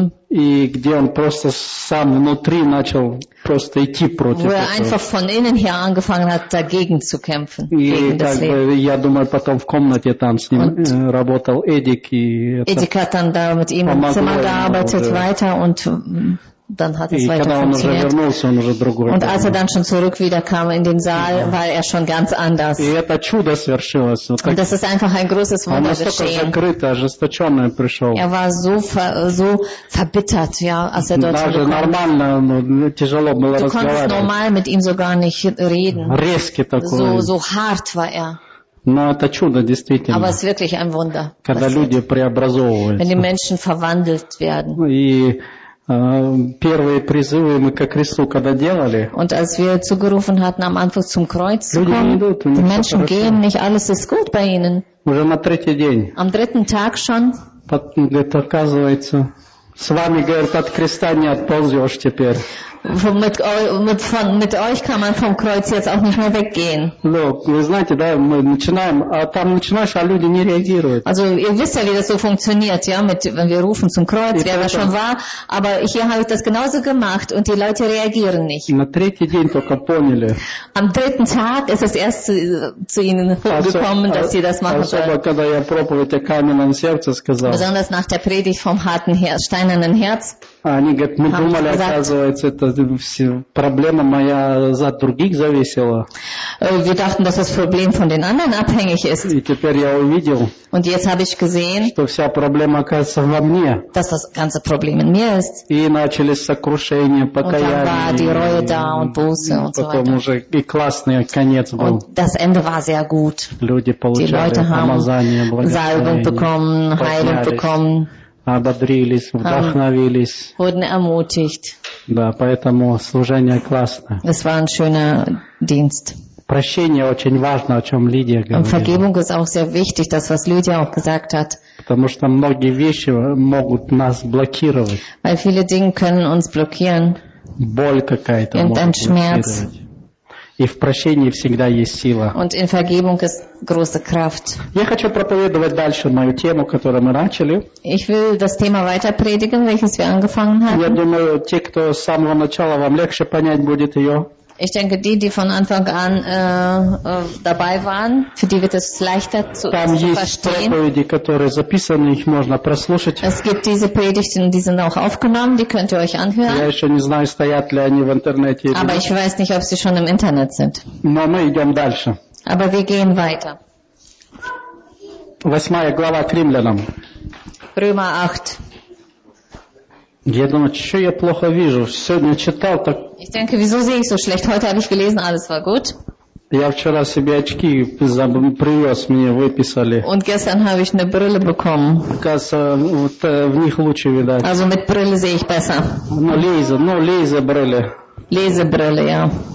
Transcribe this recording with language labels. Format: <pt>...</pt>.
<ru>И где он просто сам внутри начал просто идти против этого.</ru> <de>Einfach von innen her angefangen hat, dagegen zu kämpfen.</de> <ru>И как бы, я думаю, потом в комнате там с ним работал Эдик. И</ru> <de>Эдик hat dann da mit ihm im Zimmer gearbeitet weiter und dann hat es weiter funktioniert.</de> <ru>Когда он уже вернулся, он уже другой.</ru> <de>Und als er dann schon zurück wieder kam in den Saal, war er schon ganz anders.</de> <ru>И это чудо свершилось.</ru> <de>Und das ist einfach ein großes Wunder geschehen.</de> <ru>Он настолько закрытый, ожесточенный пришел.</ru> <de>Er war so verbittert, ja, als er dort kam. Du konntest normal mit ihm sogar nicht reden.</de> <ru>Резкий такой.</ru> <de>So hart war er.</de> <ru>Но это чудо, действительно.</ru> <de>Aber es ist wirklich ein Wunder.</de> <ru>Когда люди преобразовываются.</ru> <de>Wenn die Menschen verwandelt werden.</de> <ru>И первые призывы мы ко Христу когда делали.</ru> <de>Und als wir zugerufen hatten am Anfang zum Kreuz zu kommen, die Menschen gehen nicht, alles ist gut bei ihnen.</de> <ru>Уже на третий день.</ru> <de>Am dritten Tag schon.</de> <ru>Оказывается, с вами говорят от креста не отползешь теперь.</ru> <de>Mit euch kann man vom Kreuz jetzt auch nicht mehr weggehen.</de> <ru>Ну, вы знаете, да, мы начинаем, а там начинаешь, а люди не реагируют.</ru> <de>Also ihr wisst ja, wie das so funktioniert, ja, wenn wir rufen zum Kreuz, wer da schon war, aber hier habe ich das genauso gemacht und die Leute reagieren nicht.</de> <ru>На третий день только поняли.</ru> <de>Am dritten Tag ist es erst zu ihnen gekommen, dass sie das machen sollen.</de> <ru>Особо когда я проповедь о каменном сердце сказал.</ru> <de>Besonders nach der Predigt vom harten Herz, steinernen Herz.</de> <ru>Они говорят, мы думали, оказывается, это проблема моя от других зависела.</ru> <de>Wir dachten, dass das Problem von den anderen abhängig ist.</de> <ru>И теперь я увидел,</ru> <de>und jetzt habe ich gesehen,</de> <ru>что вся проблема, оказывается, во мне.</ru> <de>Dass das ganze Problem in mir ist.</de> <ru>И начались сокрушения, покаяния.</ru> <de>Und dann war die Reue da und Buße und so weiter.</de> <ru>Потом уже и классный конец был.</ru> <de>Und das Ende war sehr gut.</de> <ru>Люди получали помазание,</ru> <de>Salbung bekommen, Heilung bekommen.</de> <ru>Ободрились, вдохновились.</ru> <de>Wurden ermutigt.</de> <ru>Да, поэтому служение классное.</ru> <de>Es war ein schöner Dienst.</de> <ru>Прощение очень важно, о чем Лидия говорила.</ru> <de>Und Vergebung ist auch sehr wichtig, das was Lydia auch gesagt hat.</de> <ru>Потому что многие вещи могут нас блокировать.</ru> <de>Weil viele Dinge können uns blockieren.</de> <ru>Боль какая-то может</ru> <de>blockieren. Und Schmerz.</de> <ru>И в прощении всегда есть сила.</ru> <de>Und in Vergebung ist große Kraft.</de> <ru>Я хочу проповедовать дальше мою тему, которую мы начали.</ru> <de>Ich will das Thema weiter predigen, welches wir angefangen haben.</de> <ru>Я думаю, те, кто с самого начала, вам легче понять будет ее.</ru> <de>Ich denke, die von Anfang an dabei waren, für die wird es leichter zu verstehen.</de> <ru>Проповеди, которые записаны, их можно прослушать.</ru> <de>Es gibt diese Predigten, die sind auch aufgenommen, die könnt ihr euch anhören.</de> <ru>Я еще не знаю, стоят ли они в интернете или нет.</ru> <de>Aber ich weiß nicht, ob sie schon im Internet sind.</de> <ru>Но мы идем дальше.</ru> <de>Aber wir gehen weiter.</de> <ru>Восьмая глава к Римлянам.</ru> <de>Römer 8.</de> <ru>Я думаю, что я плохо вижу. Сегодня читал так.</ru> <de>Ich denke, wieso sehe ich so schlecht? Heute habe ich gelesen, alles war gut.</de> <ru>Я вчера себе очки привез, мне выписали.</ru> <de>Und gestern habe ich eine Brille bekommen.</de> <ru>Оказывается, вот, в них лучше видать.</ru> <de>Also mit Brille sehe ich besser. Лезебрille. Лезебрille, ja.</de>